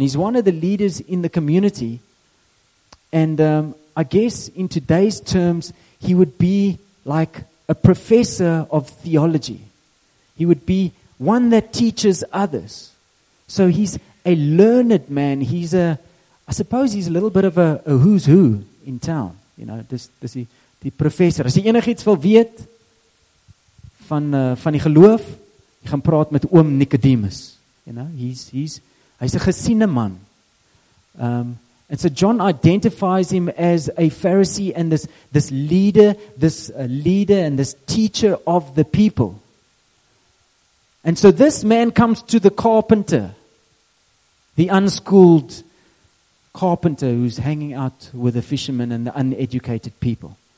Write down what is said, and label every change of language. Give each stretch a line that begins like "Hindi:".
English: He's one of the leaders in the community. And I guess in today's terms, he would be like a professor of theology. He would be one that teaches others. So he's a learned man. I suppose he's a little bit of a who's who in town. You know,
Afrikaans: dis die professor. As jy enigiets wil weet van die geloof, jy gaan praat met oom Nicodemus.
English: You know,
Afrikaans: hy's 'n gesiene man.
English: And so John identifies him as a Pharisee and this leader and this teacher of the people. And so this man comes to the carpenter, the unschooled carpenter who's hanging out with the fishermen and the uneducated people.